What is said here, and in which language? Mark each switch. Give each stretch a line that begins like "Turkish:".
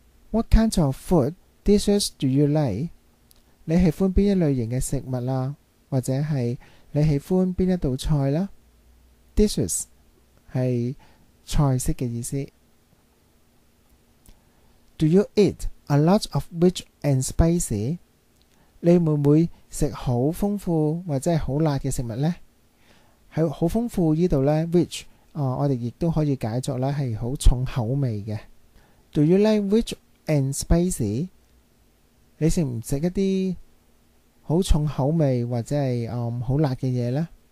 English: What kind of food dishes do you like?
Cantonese: 你喜欢边一类型嘅食物啦，或者系你喜欢边一道菜啦？ Dishes 系菜式嘅意思。
English: Do you eat a lot of rich and spicy?
Cantonese: 你会唔会食好丰富或者系好辣嘅食物呢？喺好丰富呢度咧 ，rich 啊，我哋亦都可以解作咧系好重口味嘅。
English: Do you like rich and spicy?
Cantonese: 你食唔食一啲好重口味或者系好辣嘅嘢咧？